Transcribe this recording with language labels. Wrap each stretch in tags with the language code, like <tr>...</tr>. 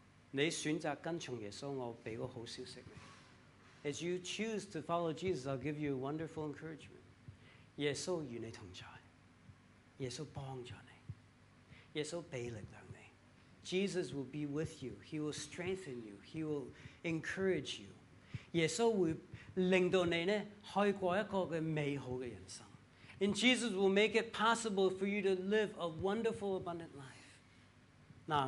<zh>你选择跟从耶稣,我给个好消息你.</zh> <en>As you choose to follow Jesus, I'll give you a wonderful encouragement.</en> <zh>耶稣与你同在.耶稣帮助你.耶稣给力量.</zh> <en>Jesus will be with you. He will strengthen you. He will encourage you.</en> <zh>耶稣会令到你呢,开过一个美好的人生.</zh> <en>And Jesus will make it possible for you to live a wonderful, abundant life.</en>